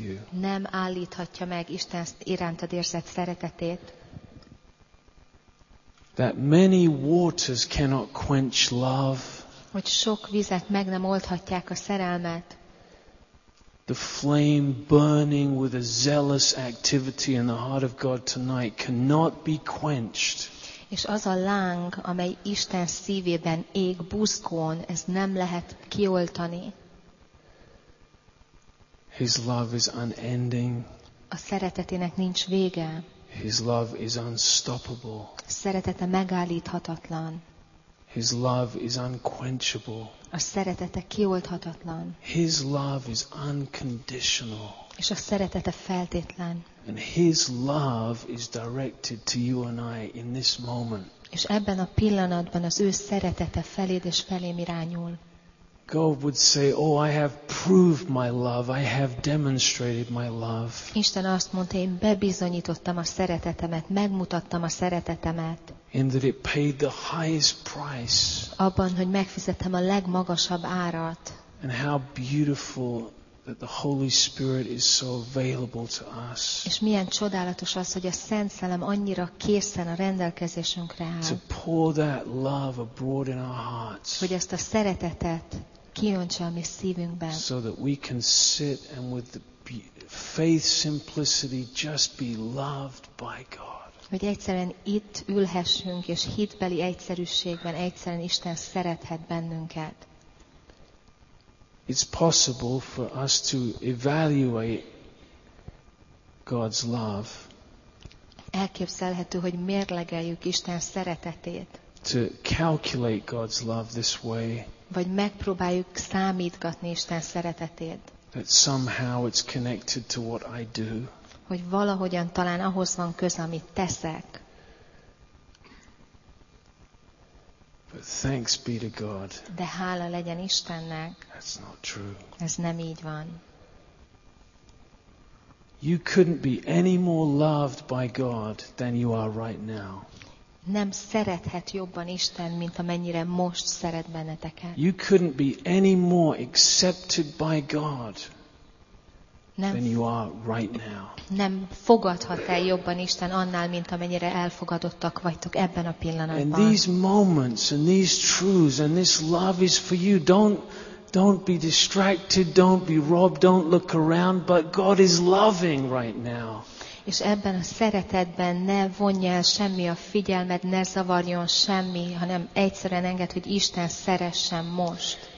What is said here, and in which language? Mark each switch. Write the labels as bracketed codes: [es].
[hu] nem állíthatja meg Isten irántad érzett szeretetét. [en] That many waters cannot quench love, [hu] hogy sok vizet meg nem oldhatják a szerelmet. [en] The flame burning with a zealous activity in the heart of God tonight cannot be quenched. [hu] És az a láng, amely Isten szívében ég buzgón, ez nem lehet kioltani. [en] His love is unending. [hu] A szeretetének nincs vége. [en] His love is unstoppable. [hu] Szeretete megállíthatatlan. [en] His love is unquenchable. [hu] A szeretete kiolthatatlan. [en] His love is unconditional. [hu] És a szeretete feltétlen. [en] And his love is directed to you and I in this moment. [hu] És ebben a pillanatban az ő szeretete feléd és felém irányul. [en] God would say, oh, I have proved my love. I have demonstrated my love. [hu] Isten azt mondta, én bebizonyítottam a szeretetemet, megmutattam a szeretetemet. [en] In that it paid the highest price. [hu] Abban, hogy megfizettem a legmagasabb árat. [en] And how beautiful that the Holy Spirit is so available to us. [hu] És milyen csodálatos az, hogy a Szent Szellem annyira készen a rendelkezésünkre áll. [en] To pour that love abroad in our hearts. [hu] Hogy ezt a szeretetet kiöntse a mi szívünkben. [en] So that we can sit and with the faith simplicity just be loved by God. [hu] Hogy egyszerűen itt ülhessünk, és hitbeli egyszerűségben egyszerűen Isten szerethet bennünket. [en] it's possible for us to evaluate God's love. [hu] Elképzelhető, hogy mérlegeljük Isten szeretetét. [en] To calculate God's love this way. [hu] Vagy megpróbáljuk számítgatni Isten szeretetét. [en] That somehow it's connected to what I do. [hu] Hogy valahogyan talán ahhoz van köze, amit teszek. [en] But thanks be to God. [hu] De hála legyen Istennek. [en] That's not true. [hu] Ez nem így van. [en] You couldn't be any more loved by God than you are right now. [hu] Nem szerethet jobban Isten, mint amennyire most szeret benneteket. [en] You couldn't be any more accepted by God than you are right now. [hu] Nem fogadhat el jobban Isten annál, mint amennyire elfogadottak vagytok ebben a pillanatban. [en] And these moments and these truths and this love is for you. Don't be distracted, don't be robbed, don't look around, but God is loving right now. [hu] És ebben a szeretetben ne vonj el semmi a figyelmed, ne zavarjon semmi, hanem egyszerűen enged, hogy Isten szeressen most.